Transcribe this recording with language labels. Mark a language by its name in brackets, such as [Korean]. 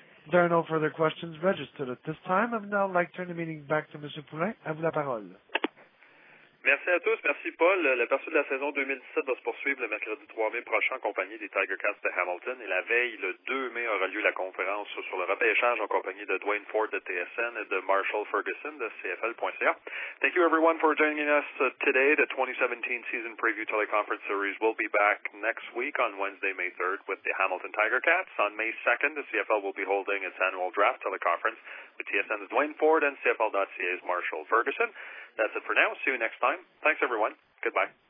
[English] There are no further questions registered at this time. I would now like to turn the meeting back to Monsieur Poulin. [French] À vous la parole. Merci à tous. Merci, Paul. La poursuite de la saison 2017 va se poursuivre le mercredi 3 mai prochain en compagnie des Tiger Cats de Hamilton. Et la veille, le 2 mai, aura lieu la conférence sur le repêchage en compagnie de Dwayne Ford de TSN et de Marshall Ferguson de CFL.ca. [English] Thank you, everyone, for joining us today. The 2017 season preview teleconference series will be back next week on Wednesday, May 3rd with the Hamilton Tiger Cats. On May 2nd, the CFL will be holding its annual draft teleconference with TSN's Dwayne Ford and CFL.ca's Marshall Ferguson. That's it for now. See you next time. Thanks, everyone. Goodbye.